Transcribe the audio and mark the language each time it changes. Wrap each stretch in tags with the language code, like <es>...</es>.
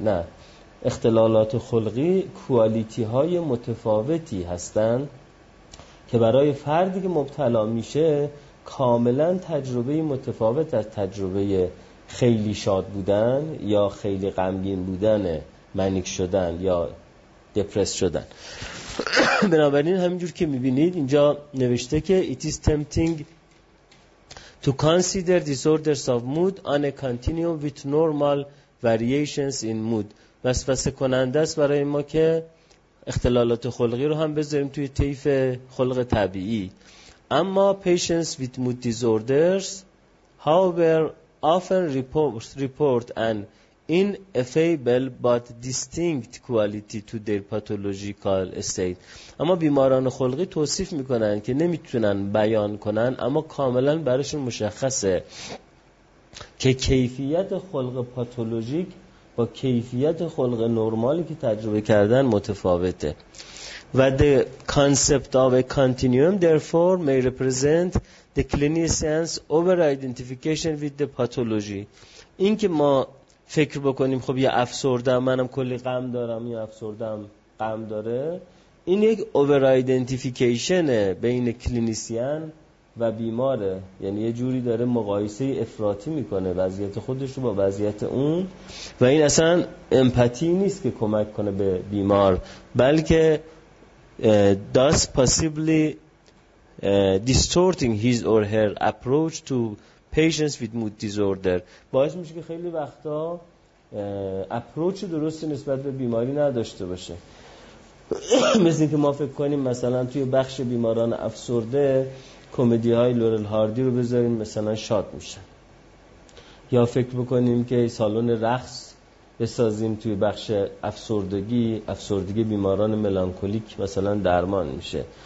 <fa>نه، اختلالات خلقی کوالیتی های متفاوتی هستن که برای فردی که مبتلا میشه کاملا تجربه متفاوت از تجربه خیلی شاد بودن یا خیلی غمگین بودن، منیک شدن یا دپرس شدن. بنابراین همینجور که میبینید اینجا نوشته که</fa> <en>It is tempting to consider disorders of mood on a continuum with normal variations in mood.</en> <fa>وسوسه کننده است برای ما که اختلالات خلقی رو هم بذاریم توی طیف خلق طبیعی. اما</fa> <en>patients with mood disorders however often report an ineffable but distinct quality to their pathological state.</en> <fa>اما بیماران خلقی توصیف میکنن که نمیتونن بیان کنن اما کاملا براشون مشخصه که کیفیت خلق پاتولوژیک با کیفیت خلق نرمالی که تجربه کردن متفاوته. و</fa> <en>the concept of a continuum therefore may represent the clinician's over identification with the pathology.</en> <fa>این که ما فکر بکنیم خب یه افسردم منم کلی غم دارم، یه افسردم غم داره، این یک اوور ایدنتیفیکیشنه بین کلینیسیان و بیماره. یعنی یه جوری داره مقایسه افراطی میکنه وضعیت خودش رو با وضعیت اون، و این اصلا امپاتی نیست که کمک کنه به بیمار، بلکه</fa> <en>thus possibly distorting his or her approach to patients with mood disorder.</en> <fa>باعث میشه که خیلی وقتا اپروچ درستی نسبت به بیماری نداشته باشه. مثل اینکه ما فکر کنیم مثلا توی بخش بیماران افسرده کمدی های لورل هاردی رو بذاریم مثلا شاد میشن، یا فکر بکنیم که سالن رقص بسازیم توی بخش افسردگی بیماران ملانکولیک مثلا درمان میشه.</fa>